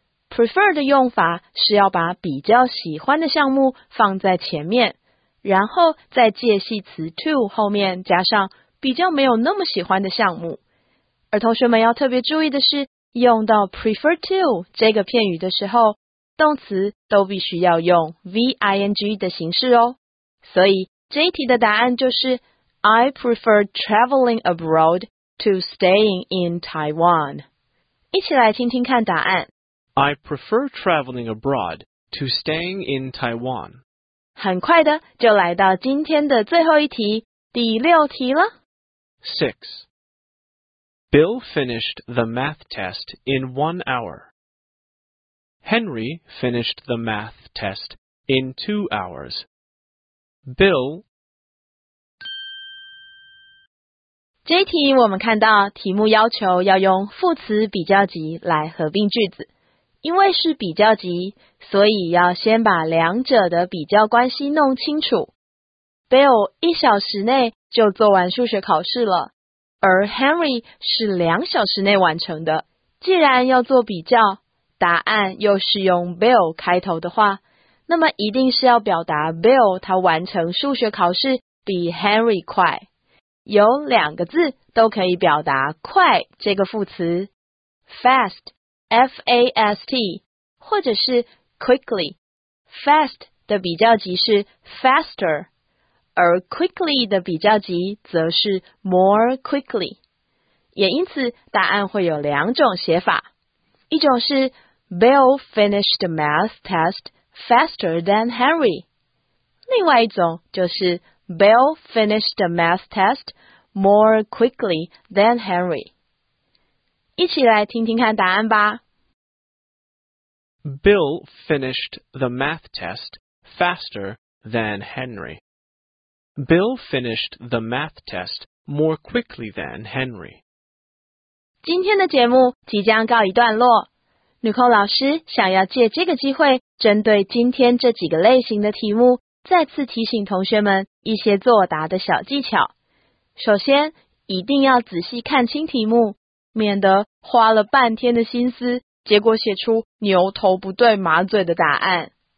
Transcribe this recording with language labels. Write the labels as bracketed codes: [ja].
[zh] prefer 的用法是要把比较喜欢的项目放在前面，然后在介系词 to 后面加上比较没有那么喜欢的项目。而同学们要特别注意的是，用到 prefer to 这个片语的时候，动词都必须要用 ving 的形式哦。所以这一题的答案就是 [en] I prefer traveling abroad to staying in Taiwan。 [zh] 一起来听听看答案。 [en] I prefer traveling abroad to staying in Taiwan。 [zh] 很快的就来到今天的最后一题，第六题了。 6. [en] Bill finished the math test in 1 hour. Henry finished the math test in 2 hours. Bill [zh] 这一题我们看到题目要求要用副词比较级来合并句子，因为是比较级，所以要先把两者的比较关系弄清楚。 Bill 一小时内就做完数学考试了，而 Henry 是2小时内完成的。既然要做比较，答案又是用 Bill 开头的话，那么一定是要表达 Bill 他完成数学考试比 Henry 快。有两个字都可以表达快这个副词 ，fast F-A-S-T 或者是 quickly。 fast 的比较级是 faster。而 quickly 的比较级则是 more quickly， 也因此答案会有两种写法，一种是 [en] Bill finished the math test faster than Henry， [zh] 另外一种就是 [en] Bill finished the math test more quickly than Henry。 [zh] 一起来听听看答案吧。 [en] Bill finished the math test faster than HenryBill finished the math test more quickly than Henry. [zh] 今天的节目即将告一段落。Nicole 老师想要借这个机会，针对今天这几个类型的题目，再次提醒同学们一些作答的小技巧。首先，一定要仔细看清题目，免得花了半天的心思，结果写出牛头不对马嘴的答案。